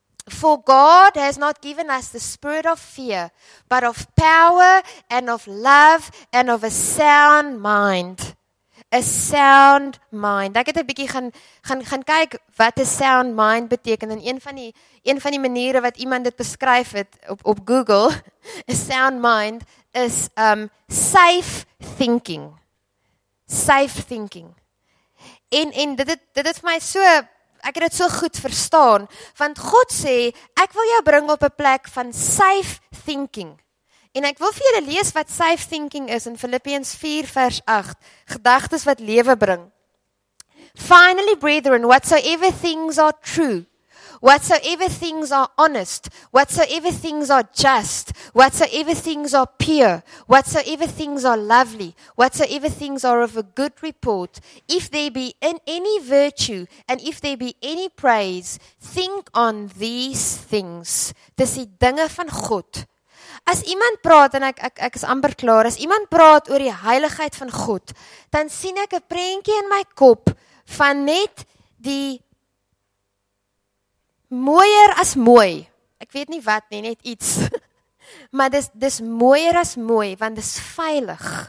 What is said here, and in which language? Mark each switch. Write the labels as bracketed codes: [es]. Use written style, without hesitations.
[en] For God has not given us the spirit of fear, but of power and of love and of a sound mind. A sound mind. [af] Ek het 'n bietjie gaan kyk wat 'n sound mind beteken en een van die maniere wat iemand dit beskryf het op Google, 'n sound mind is safe thinking. Safe thinking. En dit het vir my so, ek het dit so goed verstaan, want God sê, ek wil jou bring op 'n plek van safe thinking. En ek wil vir julle lees wat safe thinking is in Filippiërs 4 vers 8, gedagtes wat lewe bring. [en] Finally, brethren, whatsoever things are true, whatsoever things are honest, whatsoever things are just, whatsoever things are pure, whatsoever things are lovely, whatsoever things are of a good report, if there be in any virtue and if there be any praise, think on these things. [af] Dis die dinge van God. As iemand praat, en ek is amper klaar, as iemand praat oor die heiligheid van God, dan sien ek 'n prentjie in my kop van net die mooier as mooi. Ek weet nie wat nie, net iets. Maar dis mooier as mooi, want dis veilig.